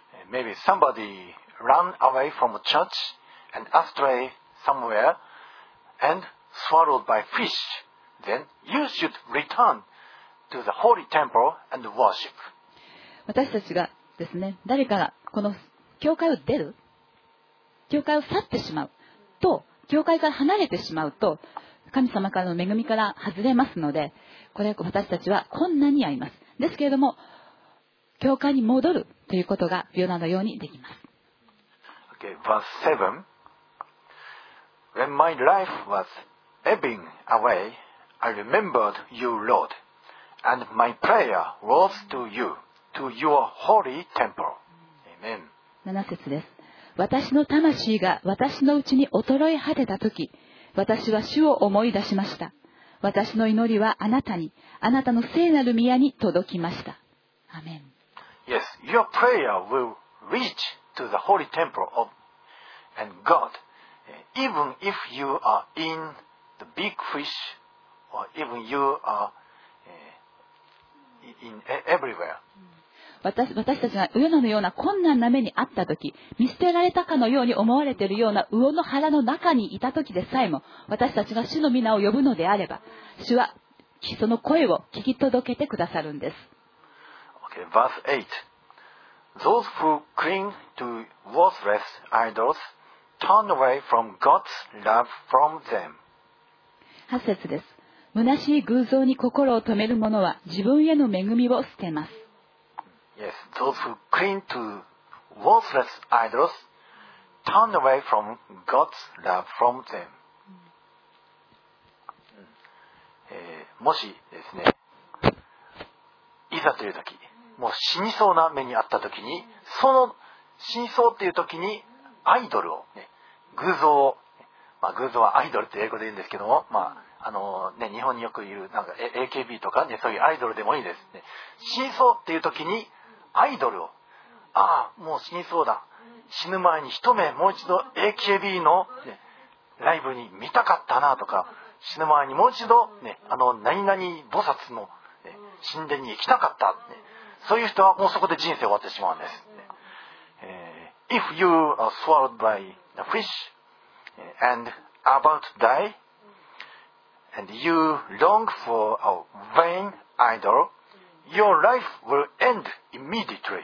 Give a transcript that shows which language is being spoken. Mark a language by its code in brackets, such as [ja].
[en] Maybe somebody ran away from a church and astray somewhere and swallowed by fish. Then you should return to the holy temple and worship. [ja] 私たちがですね、誰かがこの教会を出る、教会を去ってしまうと、教会から離れてしまうと神様からの恵みから外れますので、これ私たちは困難に遭います。ですけれども教会に戻るということがヨナのようにできます。 [en] Okay, verse 7. When my life was ebbing away, I remembered you, Lord, and my prayer was to you, to your holy temple. Amen. [ja] 7節です。私の魂が私のうちに衰え果てたとき、私は主を思い出しました。私の祈りはあなたに、あなたの聖なる宮に届きました。アメン。 [en] Yes, your prayer will reach to the holy temple of and God, even if you are in the big fish, or even you are in everywhere. [ja] 私たちがウヨナのような困難な目にあったとき、見捨てられたかのように思われているようなウヨの腹の中にいたときでさえも、私たちが主の皆を呼ぶのであれば、主はその声を聞き届けてくださるんです。 [en] Okay, verse 8. Those who cling to worthless idols turn away from God's love from them. [ja] 8節です。虚しい偶像に心を止める者は自分への恵みを捨てます。 [en] Yes, those who cling to worthless idols turn away from God's love from them. [ja] もしですね、いざという時、もう死にそうな目にあった時に、その死にそうっていう時にアイドルを、ね、偶像を、まあ、偶像はアイドルって英語で言うんですけども、まあね、日本によく言うなんか AKB とかね、そういうアイドルでもいいですね。死にそうっていう時にアイドルを、ああもう死にそうだ、死ぬ前に一目もう一度 AKB の、ね、ライブに見たかったなとか、死ぬ前にもう一度、ね、あの何々菩薩の、ね、神殿に行きたかった、ね、そういう人はもうそこで人生終わってしまうんです、ね。 [en] If you are swallowed by a fish and about to die and you long for a vain idolYour life will end immediately.